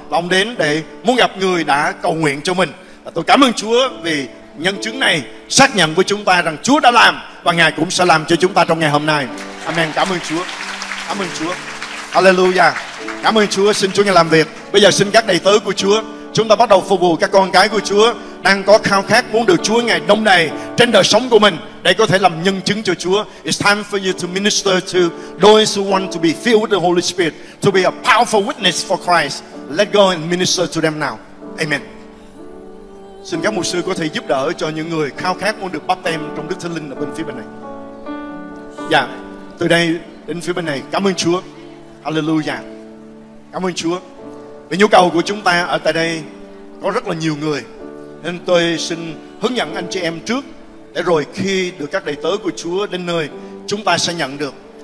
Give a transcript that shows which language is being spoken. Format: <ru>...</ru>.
<vi>Và ông đến để muốn gặp người đã cầu nguyện cho mình. Tôi cảm ơn Chúa vì nhân chứng này xác nhận với chúng ta rằng Chúa đã làm và Ngài cũng sẽ làm cho chúng ta trong ngày hôm nay. Amen. Cảm ơn Chúa. Cảm ơn Chúa. Hallelujah. Cảm ơn Chúa. Xin Chúa Ngài làm việc. Bây giờ xin các đầy tớ của Chúa, chúng ta bắt đầu phục vụ các con cái của Chúa đang có khao khát muốn được Chúa Ngài đông đầy trên đời sống của mình để có thể làm nhân chứng cho Chúa.</vi> <en>It's time for you to minister to those who want to be filled with the Holy Spirit, to be a powerful witness for Christ. Let go and minister to them now. Amen.</en> <vi>Xin các mục sư có thể giúp đỡ cho những người khao khát muốn được báp têm trong Đức Thánh Linh ở bên phía bên này. Dạ, từ đây đến phía bên này. Cảm ơn Chúa. Hallelujah. Cảm ơn Chúa. Vì nhu cầu của chúng ta ở tại đây có rất là nhiều người, nên tôi xin hướng dẫn anh chị em trước, để rồi khi được các đầy tớ của Chúa đến nơi, chúng ta sẽ nhận được.</vi>